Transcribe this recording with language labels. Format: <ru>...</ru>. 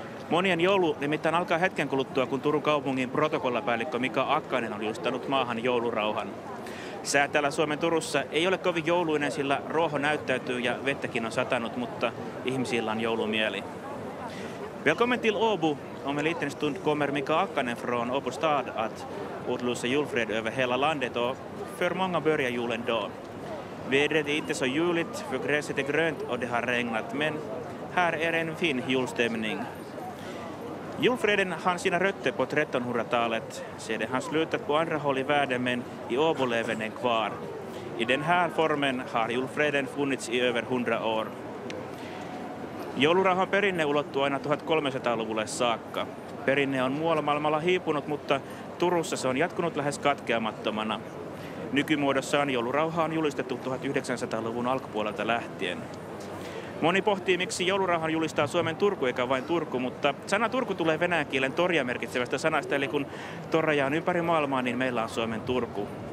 <fi>Monien joulu nimittäin alkaa hetken kuluttua, kun Turun kaupungin protokollapäällikkö Mika Akkanen on julistanut maahan joulurauhan. Sää täällä Suomen Turussa ei ole kovin jouluinen, sillä ruoho näyttäytyy ja vettäkin on satanut, mutta ihmisillä on joulumieli.</fi> <sv>Välkommen till Åbo. Om en liten stund kommer Mika Akkanen från Åbo stad att utlösa julfred över hela landet och för många börjar julen då. Vädret är inte så juligt, för gräset är grönt och det har regnat, men här är en fin julstämning. Julfreden har sina rötter på 1300-talet. Sedan har slutat på andra håll i världen, men i Åbo lever den kvar. I den här formen har julfreden funnits i över 100 år.</sv> <fi>Joulurauhan perinne ulottuu aina 1300-luvulle saakka. Perinne on muualla maailmalla hiipunut, mutta Turussa se on jatkunut lähes katkeamattomana. Nykymuodossaan joulurauha on julistettu 1900-luvun alkupuolelta lähtien. Moni pohtii, miksi joulurauhan julistaa Suomen Turku eikä vain Turku, mutta sana Turku tulee venäjän kielen toria merkitsevästä sanasta, eli kun toraja on ympäri maailmaa, niin meillä on Suomen Turku.</fi>